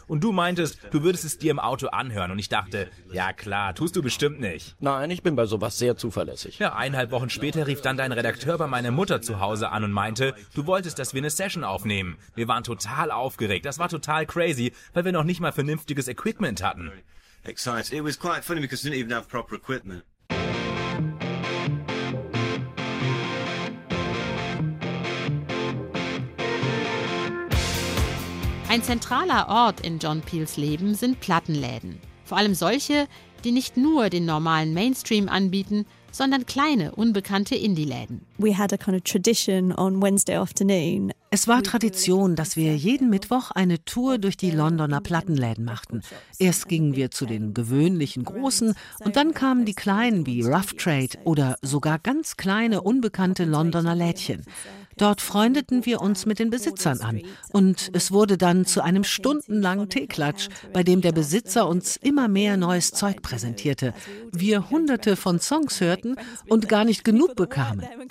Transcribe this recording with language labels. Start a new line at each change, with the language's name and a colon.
German: Und du meintest, du würdest es dir im Auto anhören. Und ich dachte, ja klar, tust du bestimmt nicht. Nein, ich bin bei sowas sehr zuverlässig. Ja, 1,5 Wochen später rief dann dein Redakteur bei meiner Mutter zu Hause an und meinte, du wolltest, dass wir eine Session aufnehmen. Wir waren total aufgeregt. Das war total crazy, weil wir noch nicht mal vernünftiges Equipment hatten.
English: It was quite funny because we didn't even have proper equipment.
German: Ein zentraler Ort in John Peels Leben sind Plattenläden. Vor allem solche, die nicht nur den normalen Mainstream anbieten, sondern kleine, unbekannte Indie-Läden.
English: We had a kind of tradition on Wednesday afternoon.
German: Es war Tradition, dass wir jeden Mittwoch eine Tour durch die Londoner Plattenläden machten. Erst gingen wir zu den gewöhnlichen großen und dann kamen die kleinen wie Rough Trade oder sogar ganz kleine, unbekannte Londoner Lädchen. Dort freundeten wir uns mit den Besitzern an und es wurde dann zu einem stundenlangen Teeklatsch, bei dem der Besitzer uns immer mehr neues Zeug präsentierte, wir hunderte von Songs hörten und gar nicht genug bekamen.